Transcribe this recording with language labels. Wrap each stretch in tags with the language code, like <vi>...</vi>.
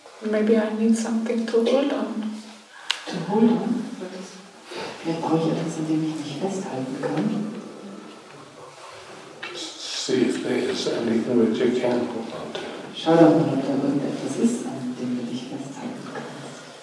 <en>Maybe I need something to hold on. To hold on?</en> <de>Vielleicht brauche ich etwas, an dem ich mich festhalten kann.</de> <en>See if there is anything that you can hold on to.</en> <de>Schau doch mal, ob da irgendetwas ist, an dem du dich festhalten kannst.</de>